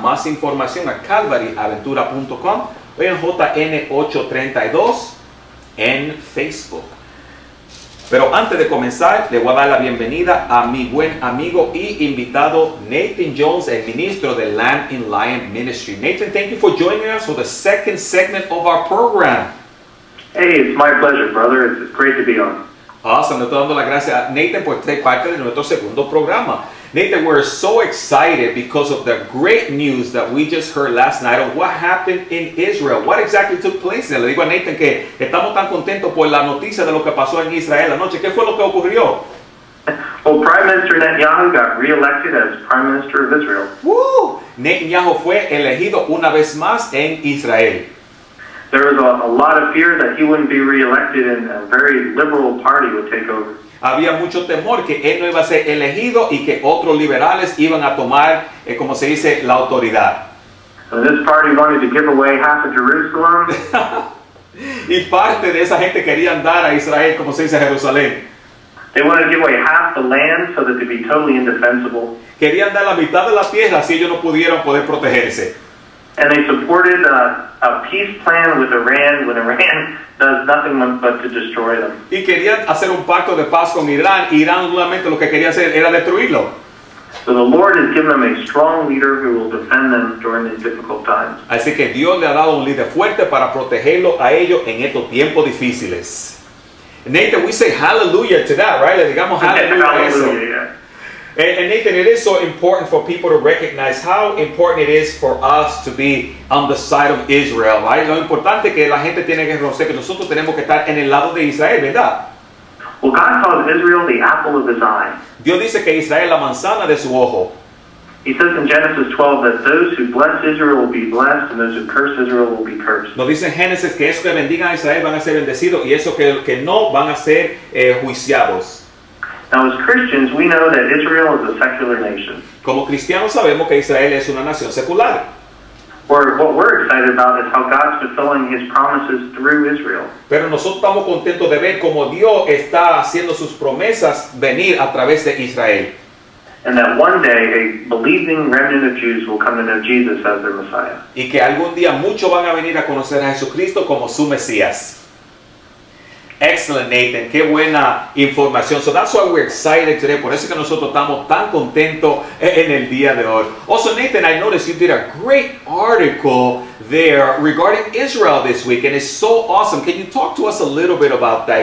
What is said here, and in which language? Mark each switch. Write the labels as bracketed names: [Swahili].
[Spanish] Más información a calvaryaventura.com o en JN832 en Facebook. Pero antes de comenzar, le voy a dar la bienvenida a mi buen amigo y invitado Nathan Jones, el ministro de Lamb in Lion Ministry. [English] Nathan, thank you for joining us for the second segment of our program. Hey, it's my pleasure, brother. It's great to be on. [Spanish] Awesome. Le estoy dando las gracias a Nathan por ser parte de nuestro segundo programa. [English] Nathan, we're so excited because of the great news that we just heard last night of what happened in Israel. What exactly took place? [Spanish] Le digo a Nathan que estamos tan contentos por la noticia de lo que pasó en Israel anoche. ¿Qué fue lo que ocurrió? [English] Well, Prime Minister Netanyahu got re-elected as Prime Minister of Israel. Woo! [Spanish] Netanyahu fue elegido una vez más en Israel. [English] There was a lot of fear that he wouldn't be re-elected and a very liberal party would take over. [Spanish] Había mucho temor que él no iba a ser elegido y que otros liberales iban a tomar, como se dice, la autoridad. [English] So this party wanted to give away half of Jerusalem. [Spanish] Y parte de esa gente querían dar a Israel, como se dice, a Jerusalén. [English] They wanted to give away half the land so that they'd be totally indefensible. [Spanish] Querían dar la mitad de la tierra si ellos no pudieron poder protegerse. [English] And they supported a peace plan with Iran when Iran does nothing but to destroy them. [Spanish] Y querían hacer un pacto de paz con Irán. Irán solamente lo que quería hacer era destruirlo. [English] So the Lord has given them a strong leader who will defend them during these difficult times. [Spanish] Así que Dios le ha dado un líder fuerte para protegerlo a ellos en estos tiempos difíciles. [English] Nathan, we say hallelujah to that, right? [Spanish] Le digamos hallelujah. [English] And Nathan, it is so important for people to recognize how important it is for us to be on the side of Israel, right? [Spanish] Lo importante que la gente tiene que reconocer que nosotros tenemos que estar en el lado de Israel, ¿verdad? [English] Well, God calls Israel the apple of his eye. [Spanish] Dios dice que Israel es la manzana de su ojo. [English] He says in Genesis 12 that those who bless Israel will be blessed and those who curse Israel will be cursed. [Spanish] Nos dice en Génesis que esos que bendigan a Israel van a ser bendecidos y esos que no van a ser juiciados. [English] Now, as Christians, we know that Israel is a secular nation. [Spanish] Como cristianos sabemos que Israel es una nación secular. [English] Or what we're excited about is how God's fulfilling His promises through Israel. [Spanish] Pero nosotros estamos contentos de ver cómo Dios está haciendo sus promesas venir a través de Israel. [English] And that one day a believing remnant of Jews will come to know Jesus as their Messiah. [Spanish] Y que algún día muchos van a venir a conocer a Jesucristo como su Mesías. [English] Excellent, Nathan. [Spanish] Qué buena información. [English] So that's why we're excited today. [Spanish] Por eso que nosotros estamos tan contentos en el día de hoy. [English] Also, Nathan, I noticed you did a great article there regarding Israel this week, and it's so awesome. Can you talk to us a little bit about that?